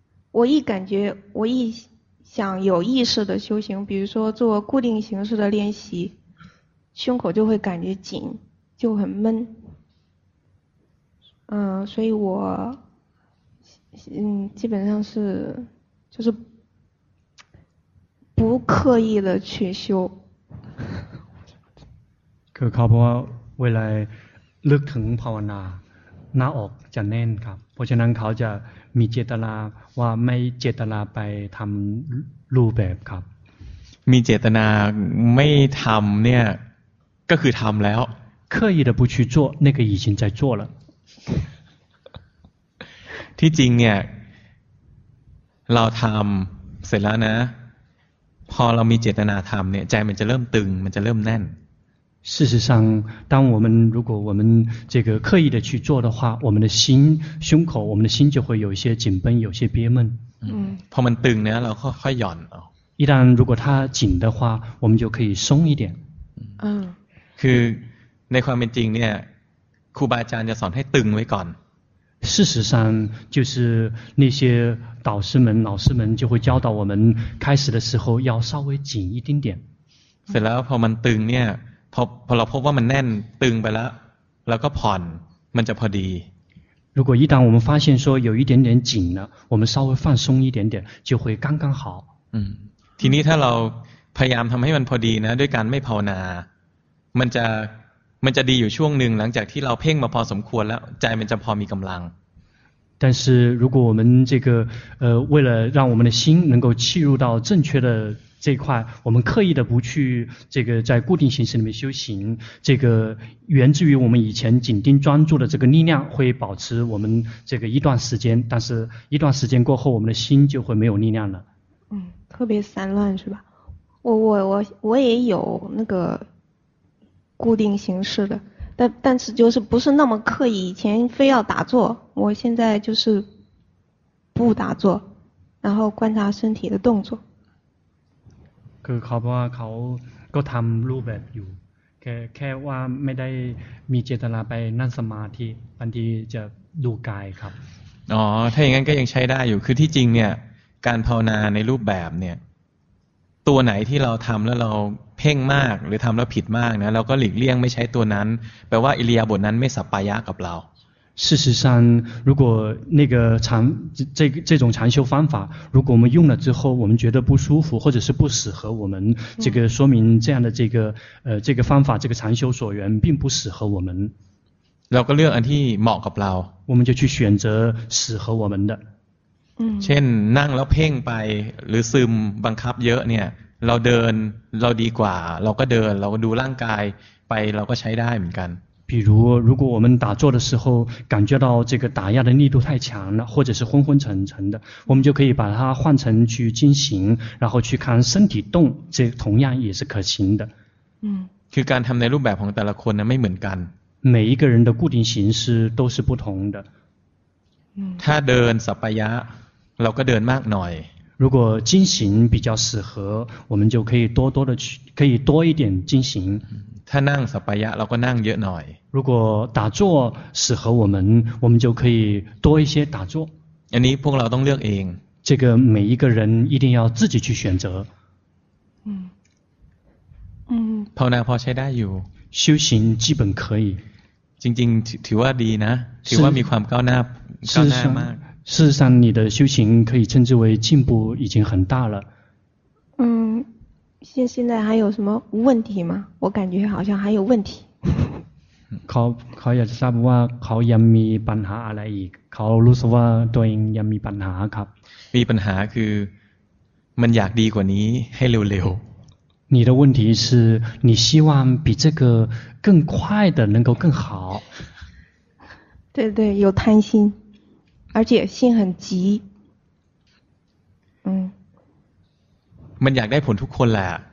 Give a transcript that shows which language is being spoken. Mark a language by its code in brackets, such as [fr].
[zh] 我一感觉，我一想有意识的修行，比如说做固定形式的练习，胸口就会感觉紧，就很闷。嗯，所以我，基本上是就是不刻意的去修。 [th] คือเขาบอกว่าเวลาลึกถึงภาวนาหน้าอกจะแน่นครับเพราะฉะนั้นเขาจะมีเจตนาว่าไม่เจตนาไปทำรูปแบบครับ มีเจตนาไม่ทำเนี่ยก็คือทำแล้ว [zh] 刻意的不去做那个已经在做了 [th] ที่จริงเนี่ยเราทำเสร็จแล้วนะพอเรามีเจตนาทำเนี่ยใจมันจะเริ่มตึงมันจะเริ่มแน่น [zh] 事实上，当我们如果我们这个刻意的去做的话，我们的心胸口，我们的心就会有一些紧绷，有些憋闷。嗯， [th] พอมันตึงเนี่ยเราค่อยหย่อนเอา [zh] 一旦如果它紧的话，我们就可以松一点。嗯， [th] คือในความเป็นจริงเนี่ยครูบาอาจารย์จะสอนให้ตึงไว้ก่อน [zh] 事实上，就是那些导师们、老师们就会教导我们，开始的时候要稍微紧一丁点。 [th] เสร็จแล้วพอมันตึงเนี่ยพอเราพบว่ามันแน่นตึงไปแล้วแล้วก็ผ่อนมันจะพอดี [zh] 如果一旦我们发现说有一点点紧了我们稍微放松一点点就会刚刚好 [th] ทีนี้ถ้าเราพยายามทำให้มันพอดีนะด้วยการไม่ภาวนามันจะดีอยู่ช่วงหนึ่งหลังจากที่เราเพ่งมาพอสมควรแล้วใจมันจะพอมีกำลัง [zh] 但是如果我们这个为了让我们的心能够契入到正确的这一块我们刻意的不去这个在固定形式里面修行这个源自于我们以前紧盯专注的这个力量会保持我们这个一段时间但是一段时间过后我们的心就会没有力量了嗯特别散乱是吧我也有那个固定形式的但是就是不是那么刻意以前非要打坐我现在就是不打坐然后观察身体的动作 [th] คือเขาบอกว่าเขาก็ทำรูปแบบอยู่แค่ว่าไม่ได้มีเจตนาไปนั่งสมาธิบางทีจะดูกายครับ อ๋อถ้าอย่างนั้นก็ยังใช้ได้อยู่คือที่จริงเนี่ยการภาวนาในรูปแบบเนี่ยตัวไหนที่เราทำแล้วเราเพ่งมากหรือทำแล้วผิดมากนะเราก็หลีกเลี่ยงไม่ใช้ตัวนั้นแปลว่าอิริยาบถนั้นไม่สัปปายะกับเรา [zh] 事实上，如果那个禅这种禅修方法，如果我们用了之后，我们觉得不舒服或者是不适合我们，这个说明这样的这个这个方法这个禅修所缘并不适合我们。 [th] เราก็เลือกอันที่เหมาะกับเรา [zh] 我们就去选择适合我们的。嗯。 [th] เช่นนั่งแล้วเพ่งไปหรือซึมบังคับเยอะเนี่ยเราเดินเราดีกว่าเราก็เดินเราก็ดูร่างกายไปเราก็ใช้ได้เหมือนกัน [zh] 比如如果我们打坐的时候感觉到这个打压的力度太强了或者是昏昏沉沉的我们就可以把它换成去进行然后去看身体动这同样也是可行的嗯 [th] คือการทำในรูปแบบของแต่ละคนนะไม่เหมือนกัน [zh] 每一个人的固定形式都是不同的嗯 [th] ถ้าเดินสัปปายะเราก็เดินมากหน่อย [zh] 如果进行比较适合我们就可以多多的去可以多一点进行 [th] ถ้านั่งสัปปายะเราก็นั่งเยอะหน่อย [zh] 如果打坐适合我们我们就可以多一些打坐 [th] อันนี้พวกเราต้องเลือกเอง [zh] 这个每一个人一定要自己去选择嗯 [th] ภาวนาพอใช้ได้อยู่ [zh] 修行基本可以 [th] จริงๆถือว่าดีนะถือว่ามีความก้าวหน้าก้าวหน้ามาก [zh] 事实上你的修行可以称之为进步已经很大了嗯现在还有什么问题吗？我感觉好像还有问题。 [th] เขาอยากจะทราบว่าเขายังมีปัญหาอะไรอีกเขารู้สึกว่าตัวเองยังมีปัญหาครับ มีปัญหาคือมันอยากดีกว่านี้ให้เร็ว [zh] ๆ你的问题是你希望比这个更快的能够更好对对有贪心而且心很急。 [th] มันอยากได้ผลทุกคนแหละ